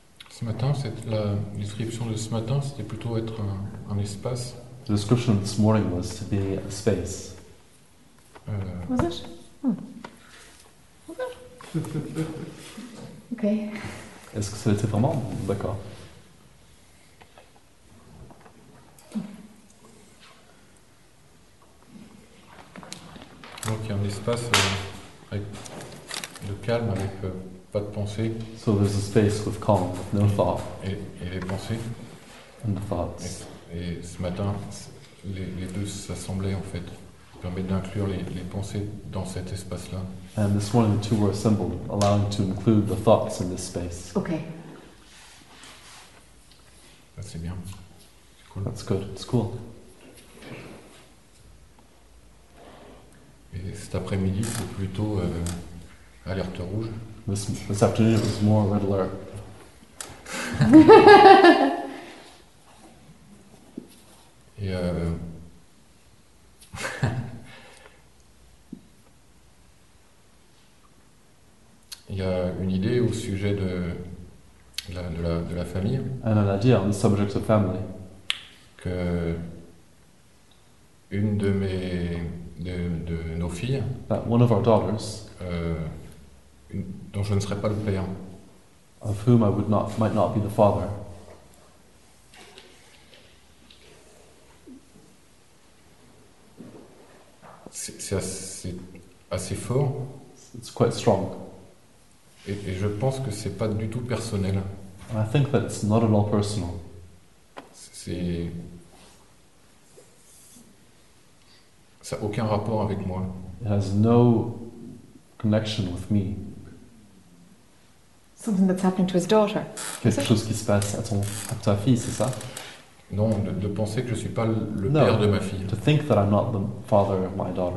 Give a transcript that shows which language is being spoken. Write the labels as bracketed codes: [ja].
[fr] Ce matin, la description de ce matin, c'était plutôt être un espace. [en] The description this morning was to be a space. Was it? Hmm. Okay. [fr] Est-ce que ça était vraiment d'accord? Donc il y a un espace avec le calme avec. Pas de pensée. [en] So there's a space with calm, no thought. [fr] Et les pensées. [en] And the thoughts. [fr] Et ce matin, les deux s'assemblaient en fait. Ça permet d'inclure les pensées dans cet espace-là. [en] And this morning the two were assembled, allowing to include the thoughts in this space. Okay. [fr] Ça, c'est bien. C'est cool. [en] That's good. It's cool. [fr] Et cet après-midi, c'est plutôt alerte rouge. [en] This afternoon it was more red alert. [fr] Et il y a une idée au sujet de la famille. [en] And an idea on the subject of family. [fr] Que une de nos filles. [en] That one of our daughters. [fr] Dont je ne serais pas le père. [en] Of whom I would not, might not be the father. [fr] C'est assez fort. [en] It's quite strong. [fr] Et je pense que c'est pas du tout personnel. [en] I think that it's not at all personal. [fr] C'est ça a aucun rapport avec moi. [en] It has no connection with me. Something that's happening to his daughter. [fr] Quelque chose qui se passe à ta fille, c'est ça? Non, de penser que je suis pas le no, père de ma fille. [en] To think that I'm not the father of my daughter.